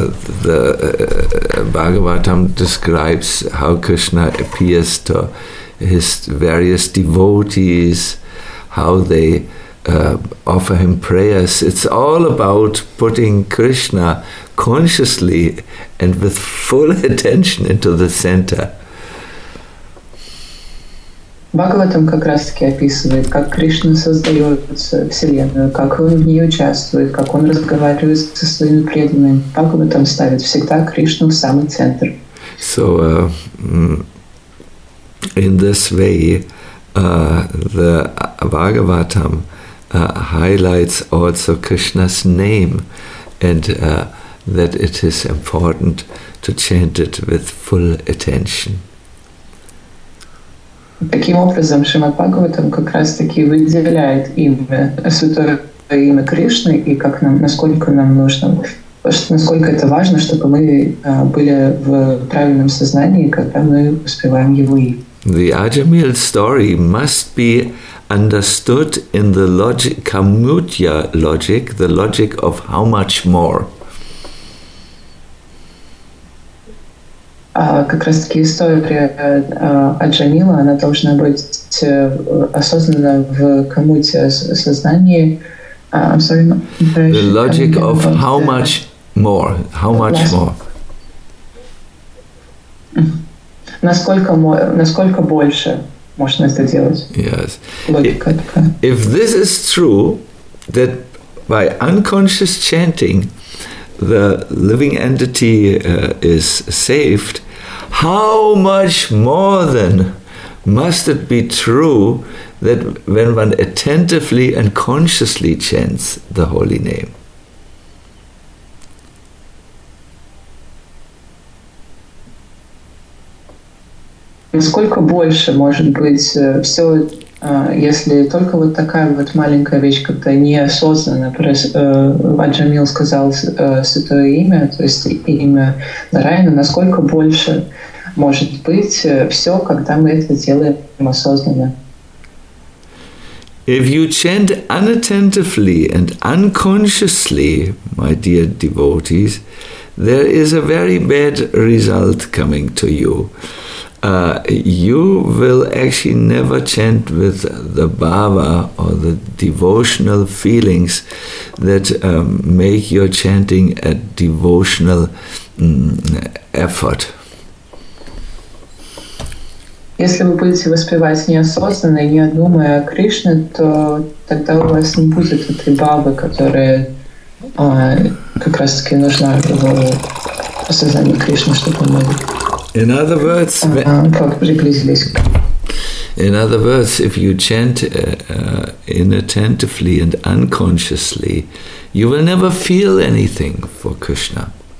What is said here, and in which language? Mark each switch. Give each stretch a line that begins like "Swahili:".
English: Bhagavatam describes how Krishna appears to his various devotees, how they offer him prayers. It's all about putting Krishna consciously and with full attention into the center.
Russian: Бхагаватам как раз таки описывает, как Кришна создает Вселенную, как он в ней участвует, как он разговаривает со своими преданными. Бхагаватам ставит всегда Кришну в самый центр.
English: So, in this way, the Bhagavatam highlights also Krishna's name and that it is important to chant it with full attention.
Russian: Таким образом, Шримад Бхагаватам как раз-таки выделяет имя, святое имя Кришны, и как нам, насколько нам нужно, насколько это важно, чтобы мы были в правильном сознании, когда мы воспеваем его имя.
English: The Ajamil story must be understood in the logic, Kamutya logic, the logic of how much more.
Russian: Как раз таки история Аджамила, она должна быть осознана в Камуте сознании.
English: The logic of how much more, how much more.
Russian: Насколько больше можно это делать?
English: Yes. If this is true, that by unconscious chanting, the living entity is saved, how much more then must it be true that when one attentively and consciously chants the holy name?
Russian: Насколько больше может быть все, если только вот такая вот маленькая вещь, как-то неосознанно, Аджамил сказал святое имя, то есть имя Нараяна, насколько больше может быть все, когда мы это делаем осознанно?
English: If you chant unattentively and unconsciously, my dear devotees, there is a very bad result coming to you. You will actually never chant with the bhava or the devotional feelings that make your chanting a devotional effort.
Russian: Если вы будете воспевать неосознанно, не думая о Кришне, то тогда у вас не будет этой бхавы, которая как раз таки нужна в осознании Кришны, чтобы мы...
English: In other words, if you chant inattentively and unconsciously, you will never feel anything for Krishna.